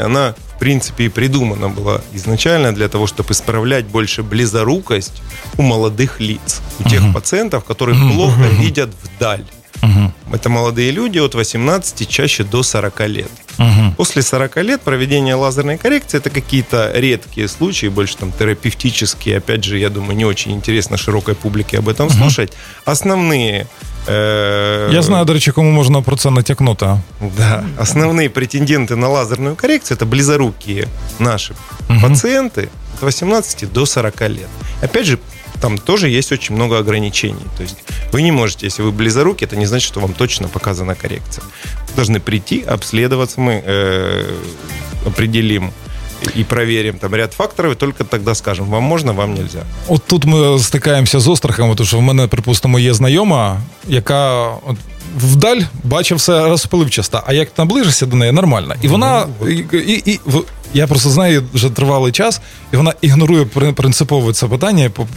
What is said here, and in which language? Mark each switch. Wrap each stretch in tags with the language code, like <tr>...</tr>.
<ru>Она, в принципе, и придумана была изначально для того, чтобы исправлять больше близорукость у молодых лиц, у тех пациентов, которые плохо видят вдаль. Это молодые люди от 18 чаще до 40 лет. После 40 лет проведение лазерной коррекции – это какие-то редкие случаи, больше там терапевтические. Опять же, я думаю, не очень интересно широкой публике об этом слушать. Основные...</ru> <uk>Я знаю, до речи, кому можно про це натякнути.</uk> <ru>Да. Основные претенденты на лазерную коррекцию – это близорукие наши пациенты от 18 до 40 лет. Опять же, там тоже есть очень много ограничений. То есть вы не можете, если вы близоруки, это не значит, что вам точно показана коррекция. Вы должны прийти, обследоваться, мы определим и проверим там ряд факторов, и только тогда скажем, вам можно, вам нельзя.</ru> <uk>От тут мы стикаємося з острахами, тому що в мене, припустимо, є знайома, яка от, вдаль бачить все розпливчасто, а як наближишся до неї, нормально. І вона... Я просто знаю, вже тривалий час, і вона ігнорує принципово це питання.</uk>